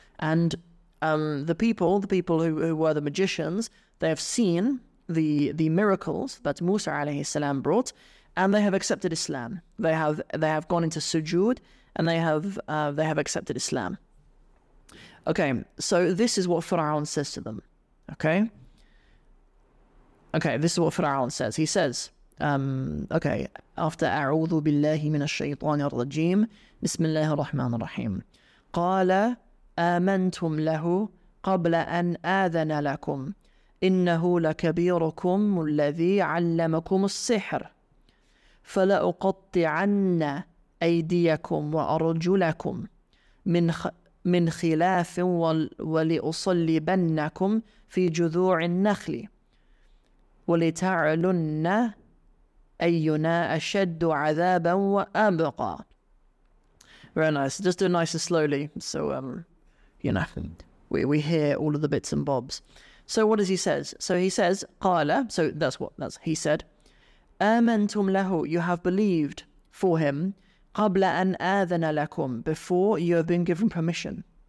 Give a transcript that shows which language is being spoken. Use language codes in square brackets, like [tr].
[en] And the people who were the magicians, they have seen the miracles that Musa alayhi salam brought, and they have accepted Islam. They have gone into sujood, and they have accepted Islam. Okay, so this is what Fir'aun says to them. Okay, this is what Fir'aun says. He says, after [ar] أعوذ بالله من الشيطان الرجيم بسم الله الرحمن الرحيم قال آمنتم له قبل أن آذن لكم إنه لكبيركم الذي علمكم السحر فلأقطعن أيديكم وأرجلكم من خلاف ولأصلبنكم في جذوع النخل ولتعلن أينا أشد عذابا وأبقى. [en] Very nice. Just do it nice and slowly. So, you know, we hear all of the bits and bobs. So what does he say? So he says, قال, so that's what he said. [ar] آمنتم له, [en] you have believed for him. [ar] قبل أن آذن لكم, [en] before you have been given permission.